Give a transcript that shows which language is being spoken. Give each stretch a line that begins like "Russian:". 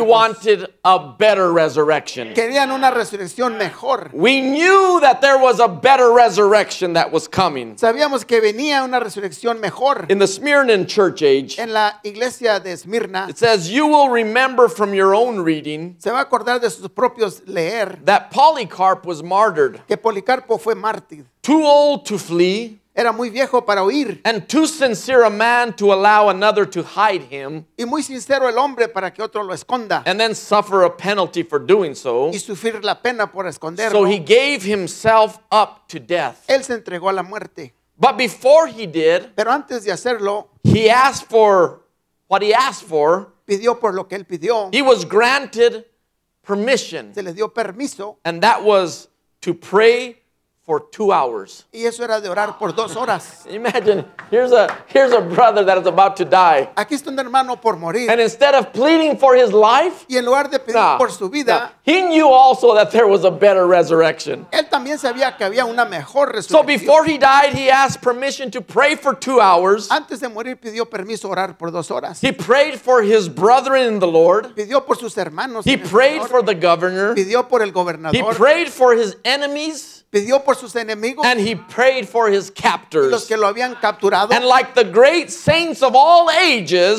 English: We wanted a better resurrection.
Spanish: Querían una resurrección mejor.
English: We knew that there was a better resurrection that was coming.
Spanish: Sabíamos que venía una resurrección mejor.
English: In the Smyrna church age.
Spanish: En la iglesia de Esmirna.
English: It says you will remember from your own reading.
Spanish: Se va a acordar de sus propios leer.
English: That Polycarp was martyred.
Spanish: Que Policarpo fue mártir.
English: Too old to flee.
Spanish: Era muy viejo para huir.
English: And too sincere a man to allow another to hide him.
Spanish: Y muy sincero el hombre para que otro lo esconda.
English: And then suffer a penalty for doing so.
Spanish: Y sufrir la pena por esconderlo.
English: So he gave himself up to death.
Spanish: Él se entregó a la muerte.
English: But before he did.
Spanish: Pero antes de hacerlo.
English: He asked for what he asked for.
Spanish: Pidió por lo que él pidió.
English: He was granted permission.
Spanish: Se le dio permiso.
English: And that was to pray for 2 hours.
Spanish: Y eso era de orar por 2 horas.
English: Imagine, here's a brother that is about to die.
Spanish: Aquí está un hermano por morir.
English: And instead of pleading for his life,
Spanish: y en lugar de pedir por su vida,
English: he knew also that there was a better resurrection.
Spanish: Él también sabía que había una mejor resurrección.
English: So before he died, he asked permission to pray for 2 hours.
Spanish: Antes de morir, pidió permiso orar por 2 horas.
English: He prayed for his brethren in the Lord.
Spanish: Pidió por sus hermanos.
English: He prayed for the governor.
Spanish: Pidió por el gobernador.
English: He prayed for his enemies.
Spanish: Pidió por sus enemigos.
English: And he prayed for his captors.
Spanish: Los que lo habían capturado.
English: And like the great saints of all ages.